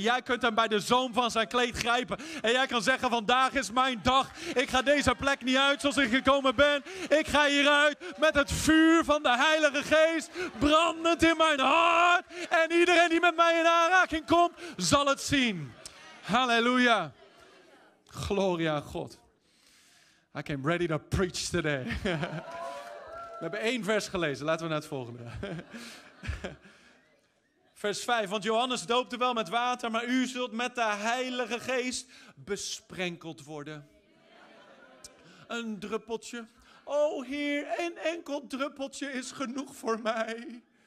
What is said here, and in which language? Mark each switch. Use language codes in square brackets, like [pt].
[nl] Jij kunt hem bij de zoom van zijn kleed grijpen. En jij kan zeggen, vandaag is mijn dag. Ik ga deze plek niet uit zoals ik gekomen ben. Ik ga hieruit met het vuur van de Heilige Geest. Brandend in mijn hart. En iedereen die met mij in aanraking komt, zal het zien. Halleluja. Gloria aan God. [en] I came ready to preach today. [nl] We hebben 1 vers gelezen. Laten we naar het volgende. Vers Vers 5, want Johannes doopte wel met water, maar u zult met de Heilige Geest besprenkeld worden. Een druppeltje. O Heer, een enkel druppeltje is genoeg voor mij.